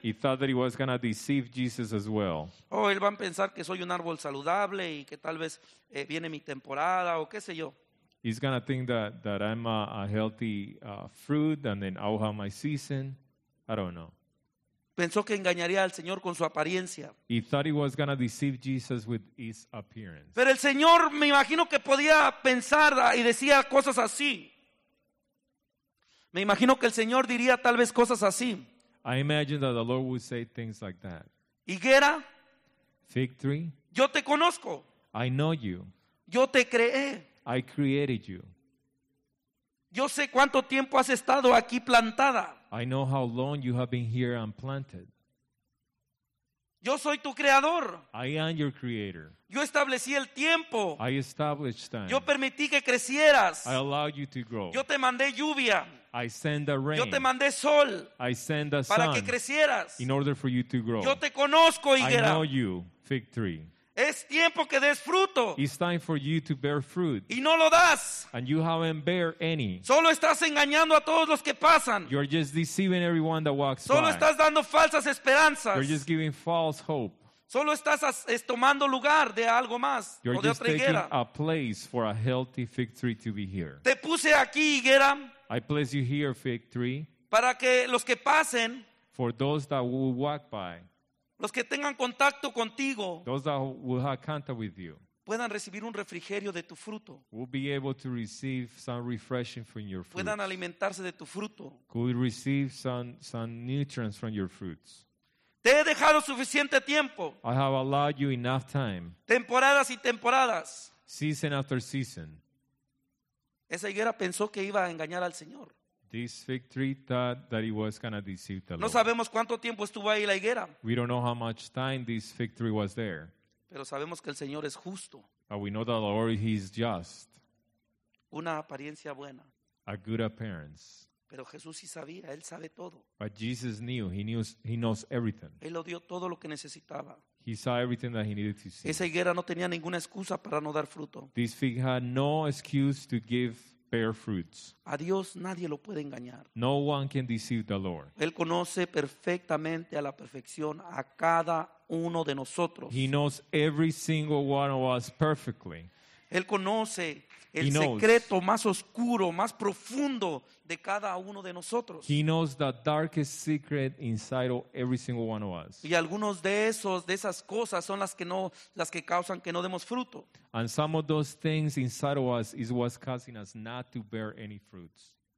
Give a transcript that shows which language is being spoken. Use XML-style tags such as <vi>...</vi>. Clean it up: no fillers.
<en>He thought that he was going to deceive Jesus as well.</en> <es>Oh, él va a pensar que soy un árbol saludable y que tal vez viene mi temporada o qué sé yo.</es> <en>He's going to think that I'm a healthy fruit and then I'll have my season. I don't know.</en> <es>Pensó que engañaría al Señor con su apariencia.</es> <en>He thought he was going to deceive Jesus with his appearance.</en> <es>Pero el Señor, me imagino que podía pensar y decía cosas así. Me imagino que el Señor diría tal vez cosas así.</es> <en>I imagine that the Lord would say things like that.</en> <es>Higuera.</es> <en>Fig tree.</en> <es>Yo te conozco.</es> <en>I know you.</en> <es>Yo te creé.</es> <en>I created you.</en> <es>Yo sé cuánto tiempo has estado aquí plantada.</es> <en>I know how long you have been here and planted.</en> <es>Yo soy tu creador.</es> <en>I am your creator.</en> <es>Yo establecí el tiempo.</es> <en>I established time.</en> <es>Yo permití que crecieras.</es> <en>I allowed you to grow.</en> <es>Yo te mandé lluvia.</es> <en>I send the rain.</en> <es>Yo te mandé sol.</es> <en>I send the sun.</en> <es>Para que crecieras.</es> <en>In order for you to grow.</en> <es>Yo te conozco, higuera.</es> <en>I know you, fig tree.</en> <es>Es tiempo que des fruto.</es> <en>It's time for you to bear fruit.</en> <es>Y no lo das.</es> <en>And you haven't bear any.</en> <es>Solo estás engañando a todos los que pasan.</es> <en>You're just deceiving everyone that walks</en> <es>solo</es> <en>by.</en> <es>Solo estás dando falsas esperanzas.</es> <en>You're just giving false hope.</en> <es>Solo estás tomando lugar de algo más.</es> <en>You're</en> <es>o de</es> <en>just</en> <es>otra higuera.</es> <en>Taking a place for a healthy fig tree to be here.</en> <es>Te puse aquí, higuera.</es> <en>I place you here, fig tree.</en> <es>Para que los que pasen.</es> <en>For those that will walk by.</en> <es>Los que tengan contacto contigo,</es> <en>those that will have contact with you,</en> <es>puedan recibir un refrigerio de tu fruto,</es> <en>will be able to receive some refreshing from your fruits,</en> <es>puedan alimentarse de tu fruto,</es> <en>could receive some nutrients from your fruits.</en> <es>Te he dejado suficiente tiempo,</es> <en>I have allowed you enough time,</en> <es>temporadas y temporadas,</es> <en>season after season.</en> <es>Esa higuera pensó que iba a engañar al Señor.</es> <en>This fig tree thought that he was going to deceive the Lord.</en> <es>No sabemos cuánto tiempo estuvo ahí la higuera.</es> <en>We don't know how much time this fig tree was there.</en> <es>Pero sabemos que el Señor es justo.</es> <en>But we know that the Lord, he is just.</en> <es>Una apariencia buena.</es> <en>A good appearance.</en> <es>Pero Jesús sí sabía, él sabe todo.</es> <en>But Jesus knew, he knows everything.</en> <es>Él lo dio todo lo que necesitaba.</es> <en>He saw everything that he needed to see.</en> <es>Esa higuera no tenía ninguna excusa para no dar fruto.</es> <en>This fig had no excuse to give bear fruits.</en> <es>A Dios nadie lo puede engañar.</es> <en>No one can deceive the Lord.</en> <es>Él conoce perfectamente a la perfección a cada uno de nosotros.</es> <en>He knows every single one of us perfectly.</en> <es>Él conoce el secreto más oscuro, más profundo de cada uno de nosotros.</es> <en>He knows the darkest secret inside of every single one of us.</en> <es>Y algunos de esos, de esas cosas, son las que causan que no demos fruto.</es> <en>And some of those things inside of us is what's causing us not to bear any fruits.</en>